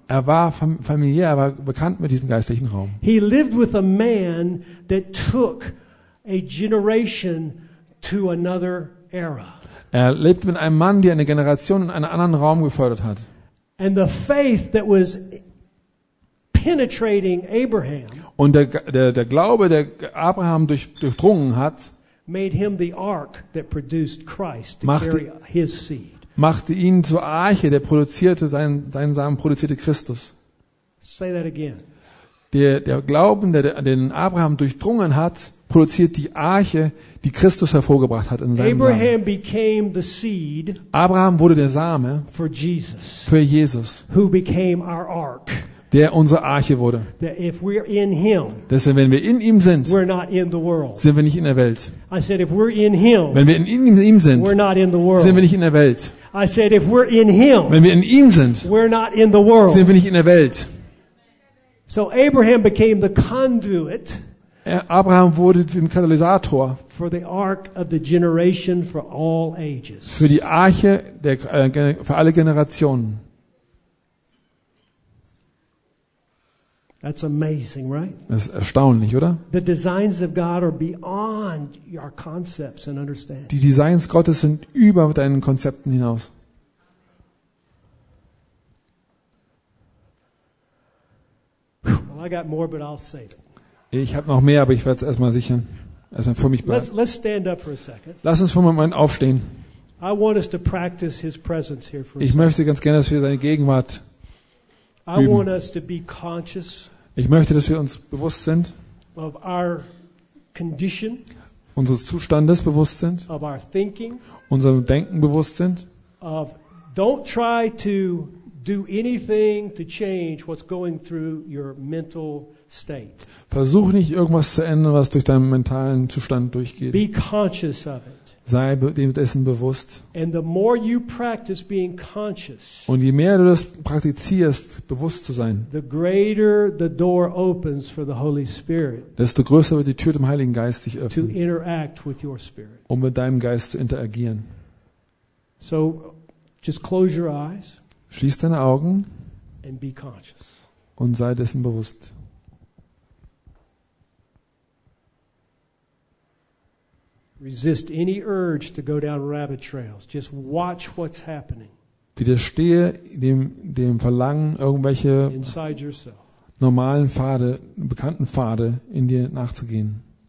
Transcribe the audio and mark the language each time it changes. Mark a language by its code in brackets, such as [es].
[de] Er war familiär, er war bekannt mit diesem geistlichen Raum. [en] He lived with a man that took a generation to another era. [de] Er lebte mit einem Mann, der eine Generation in einen anderen Raum gefördert hat. [en] And the faith that was penetrating Abraham. [de] Und der Glaube, der Abraham durchdrungen hat, [en] made him the ark that produced Christ to carry his seed. [de] Machte ihn zur Arche, der produzierte seinen Samen, produzierte Christus. [en] Say that again. [de] Der Glauben, den Abraham durchdrungen hat, produziert die Arche, die Christus hervorgebracht hat in seinem Abraham Samen. [en] Became the seed. [de] Abraham wurde der Same [en] for Jesus, [de] für Jesus, [en] who became our ark. [de] Der unsere Arche wurde. [en] That if we're in him, [de] deswegen, wenn wir in ihm sind, [en] we're not in the world. [de] Sind wir nicht in der Welt. [en] I said, if we're in him, [de] wenn wir in ihm sind, [en] we're not in the world. [de] Sind wir nicht in der Welt. [en] I said, if we're in him, [de] wenn wir in ihm sind, [en] we're not in the world. [de] Sind wir nicht in der Welt. [en] So Abraham became the conduit. [de] Abraham wurde zum Katalysator [en] for the ark of the generation for all ages. [de] Für die Arche für alle Generationen. [en] That's amazing, right? [de] Das ist erstaunlich, oder? [en] The designs of God are beyond your concepts and understanding. [de] Die Designs Gottes sind über deinen Konzepten hinaus. [en] Well, I got more, but I'll save it. [de] Ich habe noch mehr, aber ich werde es erstmal sichern. Erstmal für mich bleiben. [en] Let's stand up for a second. [de] Lass uns für einen Moment aufstehen. [en] I want us to practice his presence here for [de] ich [en] a [de] möchte [en] second. [de] Ganz gerne, dass wir seine Gegenwart [en] I [de] üben. [en] Want us to be conscious. [de] Ich möchte, dass wir uns bewusst sind, [en] of our condition, [de] unseres Zustandes bewusst sind, of our thinking, unserem Denken bewusst sind. [en] Of don't try to do anything to change what's going through your mental state. [de] Versuch nicht irgendwas zu ändern, was durch deinen mentalen Zustand durchgeht. [en] Be conscious of it. [de] Sei dessen bewusst. [en] And the more you practice being conscious. [de] Und je mehr du das praktizierst, bewusst zu sein. [en] The greater the door opens for the Holy Spirit. [de] Desto größer wird die Tür zum Heiligen Geist sich öffnen. [en] To interact with your spirit. [de] Um mit deinem Geist zu interagieren. [en] So just close your eyes. [de] Schließ deine Augen [en] and be conscious. [de] Und sei dessen bewusst. [en] Resist any urge to go down rabbit trails. Just watch what's happening. [de] Widerstehe dem Verlangen, irgendwelche normalen Pfade, bekannten Pfade in dir nachzugehen.